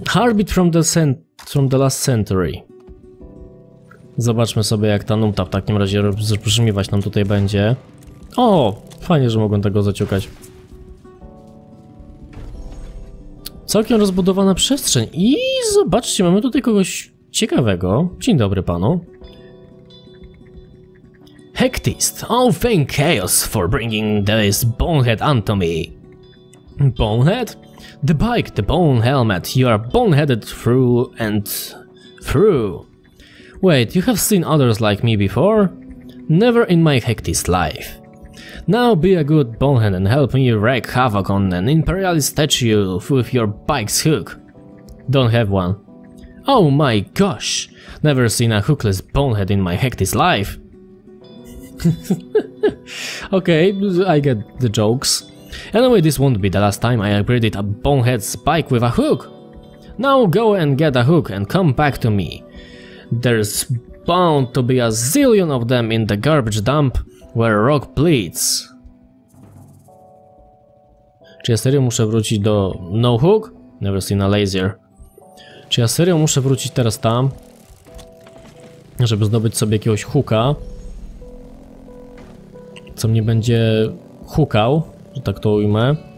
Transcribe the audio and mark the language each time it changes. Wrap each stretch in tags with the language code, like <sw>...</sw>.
<en>Heartbeat from the last century.</en> <pl>Zobaczmy sobie, jak ta nuta w takim razie brzmiwać nam tutaj będzie. O, fajnie, że mogłem tego zaciukać. Całkiem rozbudowana przestrzeń. I zobaczcie, mamy tutaj kogoś ciekawego. Dzień dobry panu.</pl> <en>Hectist, I'll thank Chaos for bringing this bonehead unto me. Bonehead? The bike, the bone helmet, you are boneheaded through and through. Wait, you have seen others like me before? Never in my Hectist life. Now be a good bonehead and help me wreak havoc on an imperialist statue with your bike's hook. Don't have one. Oh my gosh! Never seen a hookless bonehead in my Hectist life. Okay, I get the jokes. Anyway, this won't be the last time I upgraded a bonehead's bike with a hook. Now go and get a hook and come back to me. There's bound to be a zillion of them in the garbage dump where rock bleeds.</en> <pl>Czy ja serio muszę wrócić do No Hook?</pl> <en>Never seen a laser.</en> <pl>Czy ja serio muszę wrócić teraz tam, żeby zdobyć sobie jakiegoś hooka, co mnie będzie hookał? Że tak to ujmę.</pl>